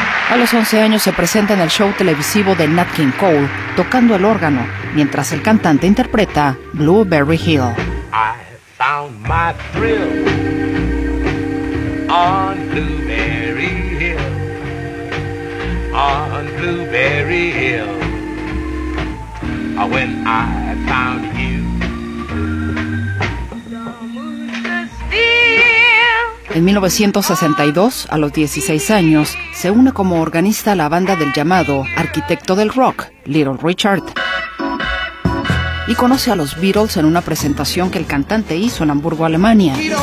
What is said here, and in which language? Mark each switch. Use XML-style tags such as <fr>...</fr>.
<es>A los 11 años se presenta en el show televisivo de Nat King Cole, tocando el órgano, mientras el cantante interpreta Blueberry Hill.</es> <en>I found my thrill on Blueberry Hill, on Blueberry Hill. When I found you, the moon's still.</en> <es>En 1962, a los 16 años, se une como organista a la banda del llamado arquitecto del rock, Little Richard. Y conoce a los Beatles en una presentación que el cantante hizo en Hamburgo, Alemania.</es>